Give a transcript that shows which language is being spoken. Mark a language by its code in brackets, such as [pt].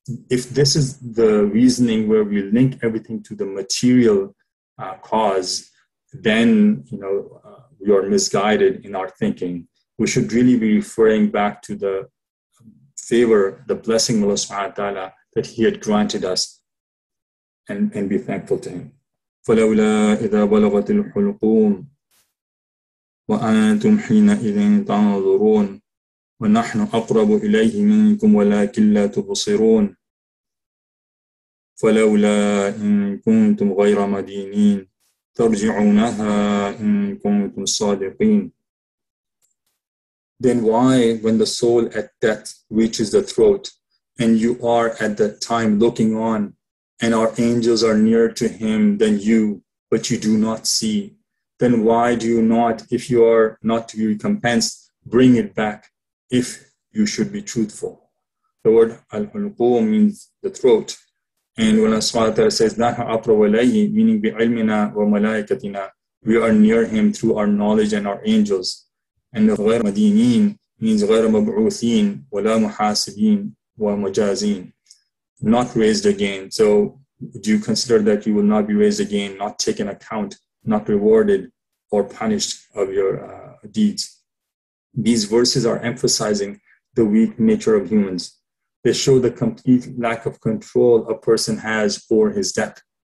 [en] If this is the reasoning where we link everything to the material cause, then, you know, we are misguided in our thinking. We should really be referring back to the favor, the blessing of Allah subhanahu wa ta'ala that he had granted us, and be thankful to him. [ar] فلولا إذا بلغت الحلقوم وأنتم حينئذ تنظرون ونحن أقرب إليه منكم ولكن لا تبصرون فلولا إن كنتم غير مدينين ترجعونها إن كنتم صادقين. [en] Then why, when the soul at death reaches the throat, and you are at that time looking on, and our angels are nearer to him than you, but you do not see, then why do you not, if you are not to be recompensed, bring it back, if you should be truthful? The word al-hulqum means the throat. And when Allah subhanahu wa ta'ala says, [ar] نَحْنَ أَقْرَبُ إِلَيْهِ, [en] meaning [ar] بِعِلْمِنَا وَمَلَائِكَتِنَا, [en] we are near him through our knowledge and our angels. And the [ar] غَيْرَ مَدِينِينَ [en] means [ar] غَيْرَ مَبْعُوثِينَ وَلَا مُحَاسِبِينَ وَمُجَازِينَ, [en] not raised again. So do you consider that you will not be raised again, not taken account, not rewarded or punished of your deeds? These verses are emphasizing the weak nature of humans. They show the complete lack of control a person has over his death.